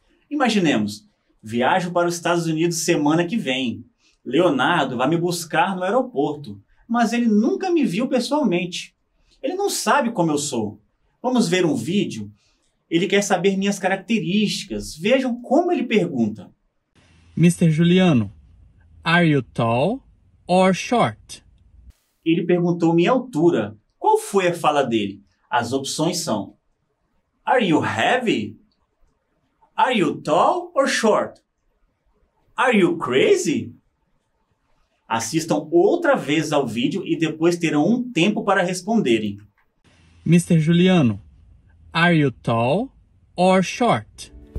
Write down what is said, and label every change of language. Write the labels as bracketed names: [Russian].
[Portuguese] Imaginemos, viajo para os Estados Unidos semana que vem. Leonardo vai me buscar no aeroporto, mas ele nunca me viu pessoalmente. Ele não sabe como eu sou. Vamos ver um vídeo? Ele quer saber minhas características. Vejam como ele pergunta. [English] Mr. Juliano, are you tall or short? [Portuguese] Ele perguntou minha altura. Qual foi a fala dele? As opções são: [English] are you heavy? Are you tall or short? Are you crazy? [Portuguese] Assistam outra vez ao vídeo e depois terão um tempo para responderem. [English] Mr. Juliano, are you tall or short?